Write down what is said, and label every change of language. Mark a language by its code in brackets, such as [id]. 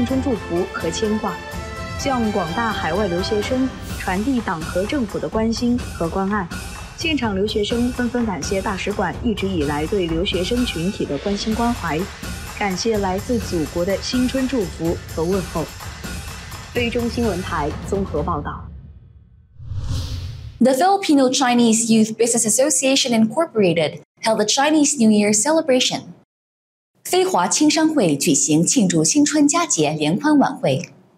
[zh] 本次联欢会演职人员全部来自在非留学生，通过舞龙舞狮、唱歌、舞蹈、乐器演奏、朗诵、功夫表演、中国书法及糖画制作等多种方式，呈现中华优秀传统文化魅力，展现当代中国青年昂扬向上的青春活力。联欢会上，黄大使向留非学子特别送上新春暖心包，以表达祖国对海外留学生的新春祝福和牵挂。向广大海外留学生传递党和政府的关心和关爱。现场留学生纷纷感谢大使馆一直以来对留学生群体的关心关怀，感谢来自祖国的新春祝福和问候。非中新闻台综合报道。 [en] The Filipino Chinese Youth Business Association Incorporated held the Chinese New Year celebration. [zh] 非华青商会举行庆祝新春佳节联欢晚会。